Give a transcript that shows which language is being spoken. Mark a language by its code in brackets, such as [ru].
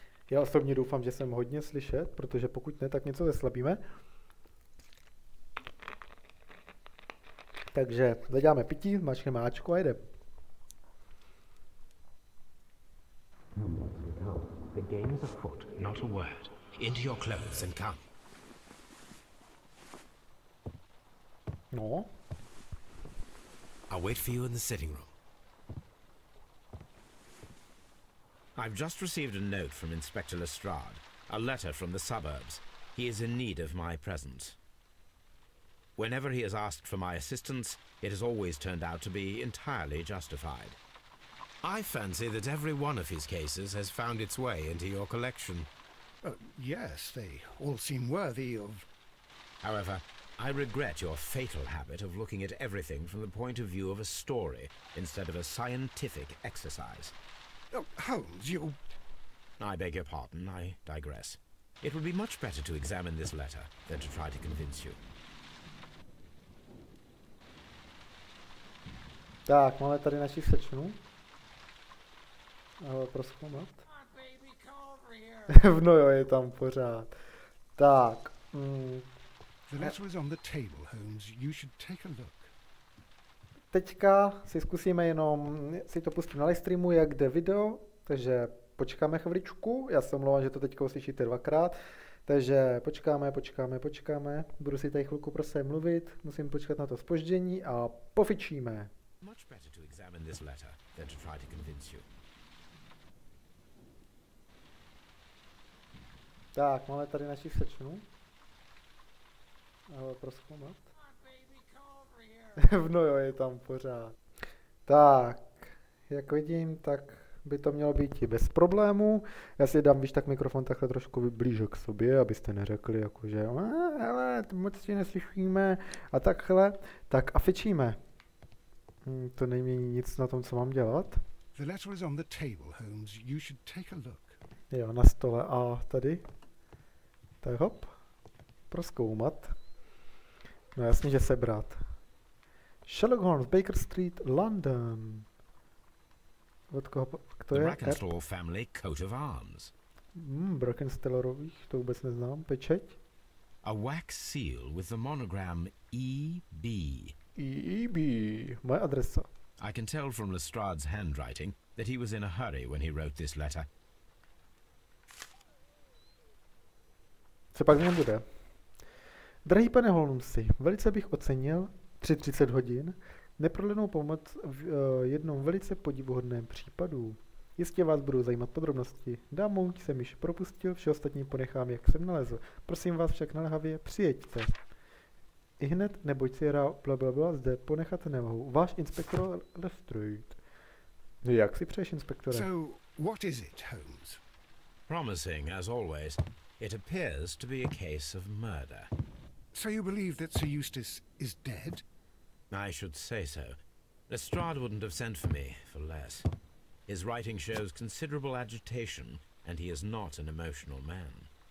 [cs] Já osobně doufám, že jsem hodně slyšet, protože pokud ne, tak něco zeslabíme. Takže zaděláme pití, zmáčkne máčku a jede. [en] The game is afoot, not a word. Into your clothes and come. No. I'll wait for you in the sitting room. I've just received a note from Inspector Lestrade, a letter from the suburbs. He is in need of my presence. Whenever he has asked for my assistance, it has always turned out to be entirely justified. I fancy that every one of his cases has found its way into your collection. Yes, they all seem worthy of... However, I regret your fatal habit of looking at everything from the point of view of a story instead of a scientific exercise. Oh, Holmes, you... I beg your pardon, I digress. It would be much better to examine this letter than to try to convince you. [cs] Tak, máme tady naši sečnu. Prozkoumat. No jo, je tam pořád. Tak. [en] The letter is on the table, Holmes. You should take a look. [cs] Teďka si zkusíme jenom, si to pustím na live streamu, jak jde video, takže počkáme chviličku, já se omlouvám, že to teďka uslyšíte dvakrát, takže počkáme, budu si tady chvilku pro sebe mluvit, musím počkat na to zpoždění a pofičíme. [en] Much better to examine this letter than to try to convince you. [cs] Tak, máme tady naši sečnu. Prozkoumat. No jo, je tam pořád. Tak, jak vidím, tak by to mělo být i bez problému. Já si dám, víš, tak mikrofon takhle trošku blíže k sobě, abyste neřekli, jakože, hele, moc tě neslyšíme a takhle. Tak a fičíme. To nemění nic na tom, co mám dělat. [en] The letter is on the table, Holmes. You should take a look. [cs] Jo, na stole a tady. Tak hop, prozkoumat. No jasně, že sebrat. Sherlock Holmes, Baker Street, London. Od koho, kdo je? [en] The Brackenstall family coat of arms. [cs] Brackenstallerových, to vůbec neznám, pečeť. [en] A wax seal with the monogram EB. [cs] EB, moje adresa. [en] I can tell from Lestrade's handwriting that he was in a hurry when he wrote this letter. [cs] Co pak mě bude? Drahý pane Holmesi, velice bych ocenil 3:30 hodin neprodlenou pomoc v jednom velice podivuhodném případu. Jistě vás budou zajímat podrobnosti. Dámu jsem již propustil, vše ostatní ponechám, jak jsem nalezl. Prosím vás však naléhavě, přijeďte. I hned, neboť si hra blablabla, zde ponechat nemohu. Váš inspektor Lestrade. Jak si přeješ, inspektore? [en] So, what is it, Holmes? Promising, as always. It appears to be a case of murder. So you believe that Sir Eustace is dead? I should say so. Lestrade wouldn't have sent for me for less. His writing shows considerable agitation, and he is not an emotional man.